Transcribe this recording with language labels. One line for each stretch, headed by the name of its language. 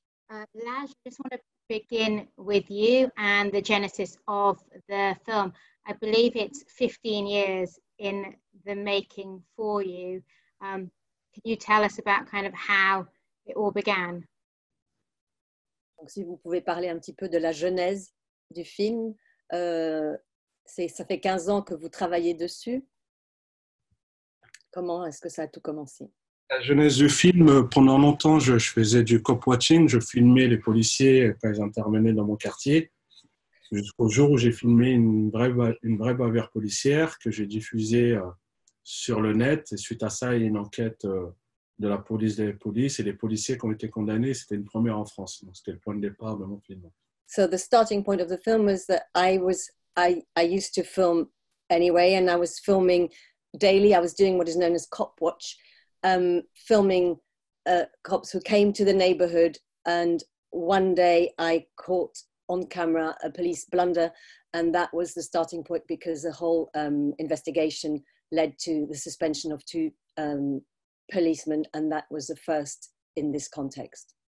English: Ladj, I just want to begin with you and the genesis of the film. I believe it's 15 years in the making for you. Can you tell us about kind of how it all began?
French: Donc, si vous pouvez parler un petit peu de la genèse du film, ça fait 15 ans que vous travaillez dessus. Comment est-ce que ça a tout commencé? La genèse du film, pendant longtemps, je faisais du cop-watching, je filmais les policiers quand ils intervenaient dans mon quartier, jusqu'au jour où j'ai filmé une vraie bavure policière que j'ai diffusée sur le net. Et suite à ça, il y a une enquête de la police des polices et les policiers qui ont été condamnés. C'était une première en France, donc c'était le point de départ de mon film.
English: So the starting point of the film was that I used to film anyway, and I was filming daily. I was doing what is known as cop watch, filming cops who came to the neighborhood. And one day I caught on camera a police blunder, and that was the starting point, because the whole investigation led to the suspension of two policemen, and that was the first in this context.